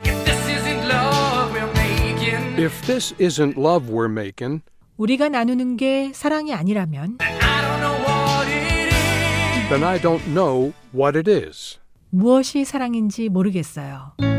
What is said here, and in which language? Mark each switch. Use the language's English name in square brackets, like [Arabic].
[English] If this isn't love we're making, if this isn't love we're making, [Korean] 우리가 나누는 게 사랑이 아니라면, [English] then I don't know what it is. Then I don't know what it is. [Korean] 무엇이 사랑인지 모르겠어요.